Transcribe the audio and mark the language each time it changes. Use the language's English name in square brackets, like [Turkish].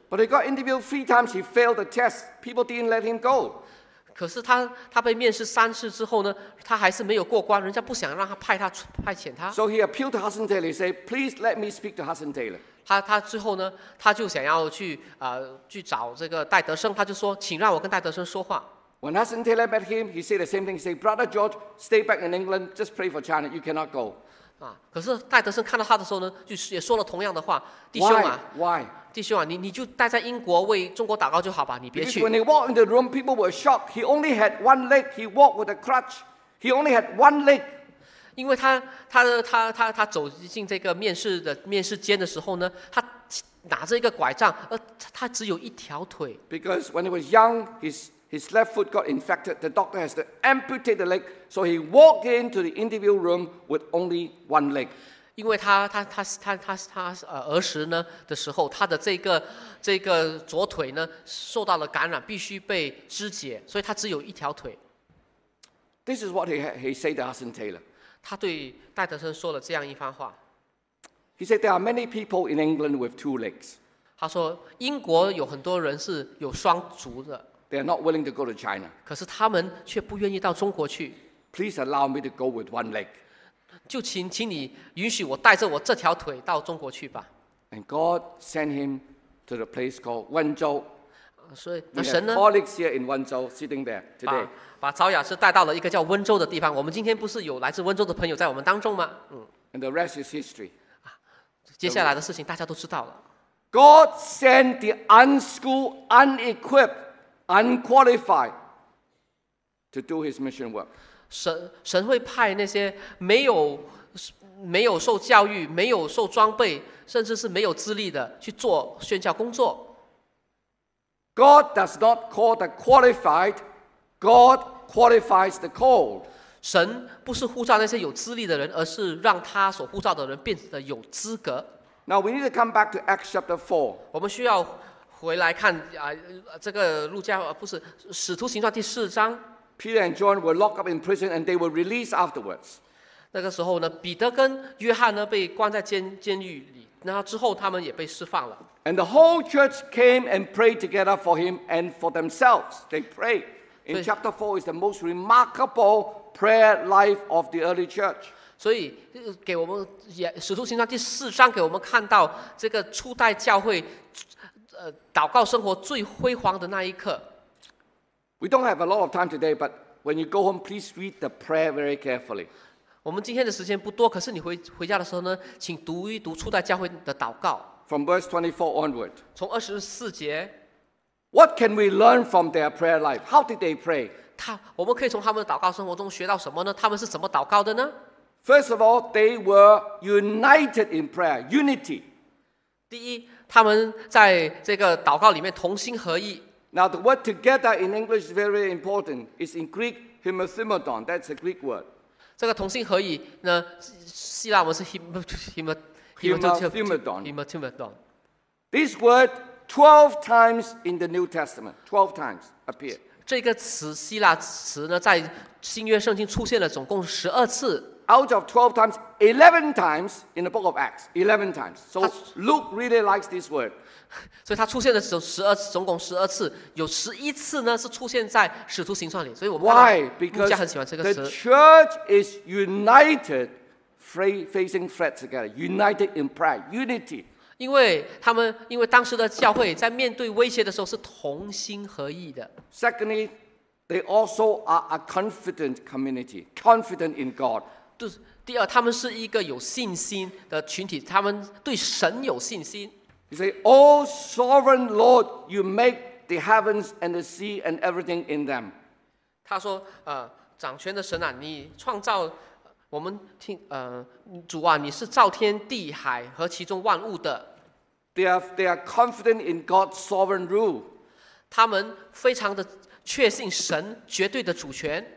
[English] But he got interviewed 3 times, he failed the test. People didn't let him go. [Chinese] 可是他被面试3次之后呢，他还是没有过关，人家不想让他派遣他。 [English] So he appealed to Hudson Taylor. He said, "Please let me speak to Hudson Taylor." [Chinese] 他最后呢，他就想要去找这个戴德生，他就说，请让我跟戴德生说话。 [English] When Hudson Taylor met him, he said the same thing. He said, "Brother George, stay back in England, just pray for China. You cannot go." [Chinese] 啊，可是戴德生看到他的时候呢，就也说了同样的话，弟兄啊 [English] ，Why? [Chinese] 弟兄啊，你就待在英国为中国祷告就好吧，你别去。 [English] Because when he walked in the room, people were shocked. He only had one leg. He walked with a crutch. He only had one leg. [Chinese] 因为他走进这个面试间的时候呢，他拿着一个拐杖，而他只有一条腿。 [English] Because when he was young, his left foot got infected. The doctor has to amputate the leg, so he walked into the interview room with only one leg. [Chinese] 因为他儿时呢的时候，他的这个左腿呢受到了感染，必须被肢解，所以他只有一条腿。 [English] This is what he said to Hudson Taylor. [Chinese] 他对戴德生说了这样一番话。 [English] He said there are many people in England with two legs. [Chinese] 他说英国有很多人是有双足的。 [English] They are not willing to go to China. [Chinese] 可是他们却不愿意到中国去。 [English] Please allow me to go with one leg. [Chinese] 就请请你允许我带着我这条腿到中国去吧。 [English] And God sent him to the place called Wenzhou. [Chinese] 所以那神呢 [English] ？Colleagues here in Wenzhou sitting there today. [Chinese] 把曹雅士带到了一个叫温州的地方。我们今天不是有来自温州的朋友在我们当中吗？嗯。 [English] And the rest is history. [Chinese] 接下来的事情大家都知道了。 [English] God sent the unschooled, unequipped, unqualified to do His mission work. [Chinese] 神会派那些没有受教育、没有受装备，甚至是没有资历的去做宣教工作。 [English] God does not call the qualified; God qualifies the called. [Chinese] 神不是呼召那些有资历的人，而是让他所呼召的人变得有资格。 [English] Now we need to come back to Acts chapter 4. [Chinese] 我们需要回来看这个路加不是使徒行传第四章。 [English] Peter and John were locked up in prison, and they were released afterwards. [Chinese] 那个时候呢，彼得跟约翰呢被关在监狱里，然后之后他们也被释放了。 [English] And the whole church came and prayed together for him and for themselves. They prayed. In chapter 4 is the most remarkable prayer life of the early church. [Chinese] 所以给我们使徒行传第四章给我们看到这个初代教会祷告生活最辉煌的那一刻。 [English] We don't have a lot of time today, but when you go home, please read the prayer very carefully. [Chinese] 我们今天的时间不多，可是你回家的时候呢，请读一读初代教会的祷告。 [English] From verse 24 onward. [Chinese] 从二十四节。 [English] What can we learn from their prayer life? How did they pray? [Chinese] 我们可以从他们的祷告生活中学到什么呢？他们是怎么祷告的呢？ [English] First of all, they were united in prayer, unity. [Chinese] 第一，他们在这个祷告里面同心合意。 [English] Now the word together in English is very important. It's in Greek, hemathymodon. That's a Greek word. [Chinese] 这个同心合意呢，希腊文是 [Greek] hemathymodon. [English] This word 12 times in the New Testament, 12 times appear. [Chinese] 这个词希腊词呢，在新约圣经出现了总共十二次。 [English] Out of 12 times, 11 times in the book of Acts, 11 times. So Luke really likes this word. [Chinese] 所以它出现的总共十二次，有十一次呢是出现在使徒行传里。所以我们看到牧家很喜欢这个词。 [English] Why? Because the church is united, facing threat together, united in prayer, unity. [Chinese] 因为当时的教会在面对威胁的时候是同心合意的。 [English] Secondly, they also are a confident community, confident in God. [Chinese] 第二，他们是一个有信心的群体，他们对神有信心。 [English] He said, "O Sovereign Lord, you make the heavens and the sea and everything in them." [Chinese] 他说，掌权的神啊，你创造我们听，主啊，你是造天地海和其中万物的。 [English] They are confident in God's sovereign rule. [Chinese] 他们非常的确信神绝对的主权。